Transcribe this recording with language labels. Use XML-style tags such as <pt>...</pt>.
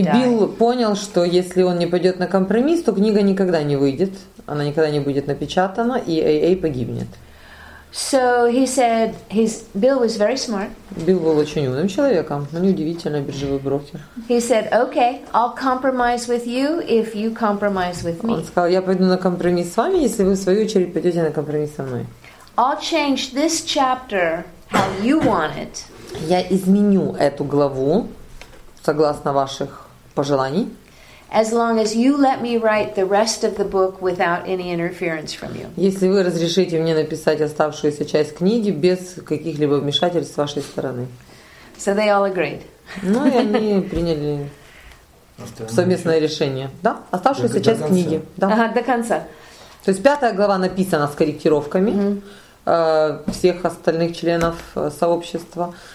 <ru>И Билл понял, что если он не пойдет на компромисс, то книга никогда не выйдет, она никогда не будет напечатана, и AA погибнет.</ru> <en>So he said, Bill was very smart.</en> <ru>Билл был очень умным человеком, но неудивительно, биржевой брокер.</ru> <en>He said, "Okay, I'll compromise with you if you compromise with me."</en> <ru>Он сказал, я пойду на компромисс с вами, если вы в свою очередь пойдете на компромисс со мной.</ru> <en>I'll change this chapter how you want it.</en> <ru>Я изменю эту главу согласно ваших пожеланий.</ru> <en>As long as you let me write the rest of the book without any interference from you.</en> <ru>Если вы разрешите мне написать оставшуюся часть книги без каких-либо вмешательств с вашей стороны.</ru> <en>So they all agreed.</en> <ru>Ну и они приняли совместное решение. Да, оставшуюся часть книги. Да. Ага, до конца. То есть пятая глава написана с корректировками всех остальных членов сообщества.</ru>